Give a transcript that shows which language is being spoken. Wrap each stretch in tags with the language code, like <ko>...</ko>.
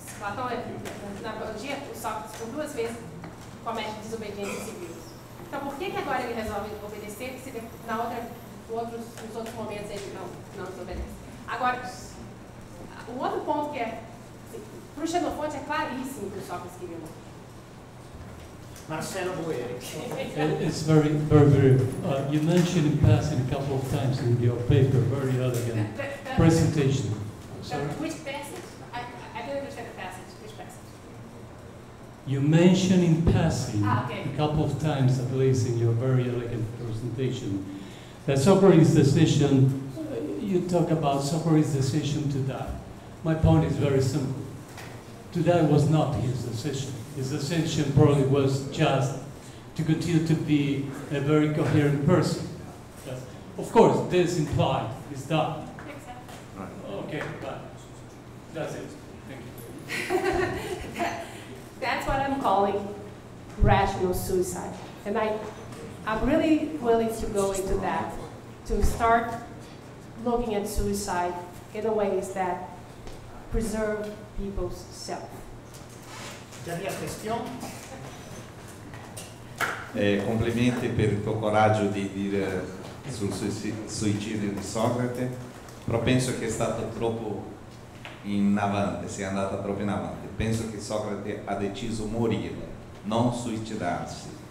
<pt>Platão, na apologia, o Sócrates por duas vezes comete desobediência civil. Então, por que, que agora ele resolve obedecer se na outra, nos outros momentos ele não desobedece? Agora, o outro ponto que é, assim, para o Xenofonte é claríssimo que o Sócrates queria morrer.</pt> <en>Marcelo Boeri. It's very, very, very. You mentioned in passing a couple of times in your paper, very elegant presentation. Which passage? I didn't understand the passage. Which passage? You mentioned in passing a couple of times, at least in your very elegant presentation, that Socrates' decision, you talk about Socrates' decision to die. My point is very simple. To die was not his decision. His ascension probably was just to continue to be a very coherent person. Yes. Of course, this implied his death. Exactly. Right. Okay, but that's it. Thank you. That's what I'm calling rational suicide. And I'm really willing to go into that, to start looking at suicide in a way that preserve people's self.</en> <it>Complimenti per il tuo coraggio di dire sul suicidio di Socrate, però penso che è stato troppo in avanti, sia andata troppo in avanti. Penso che Socrate ha deciso morire, non suicidarsi.</it>